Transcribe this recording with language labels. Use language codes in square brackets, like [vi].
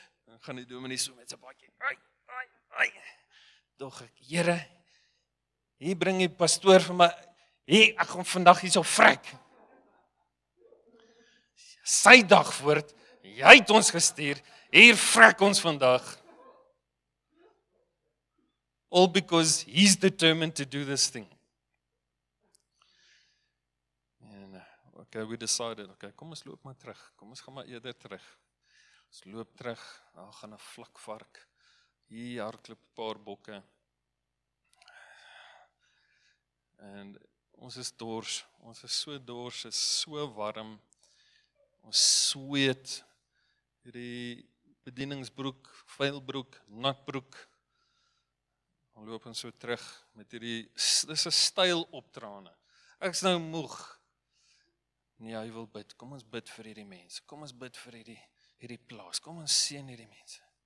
[af] Dan gaan die dominee so met sy baadjie. Ai. Dog ek, Here, hier bring die pastoor vir my. Hier, ek gaan vandag hier so vrek. Sy dag voort, jy het ons gestuur. Hier vrek ons vandag. [en] All because he's determined to do this thing. [af] Okay, [en] we decided, [af] okay, kom ons loop maar terug, kom ons gaan maar eerder terug. Ons loop terug, daar gaan een vlakvark, hier hardloop een paar bokke. En ons is dors, ons is so dors, is so warm, ons sweet, die bedieningsbroek, vuilbroek, natbroek. Dan loop ons so terug, met die, dit is een stijl optrane. Ek is nou moeg. Nee, hy wil bid, kom ons bid vir hierdie mense, kom ons bid vir hierdie plaas, kom ons seën hierdie mense.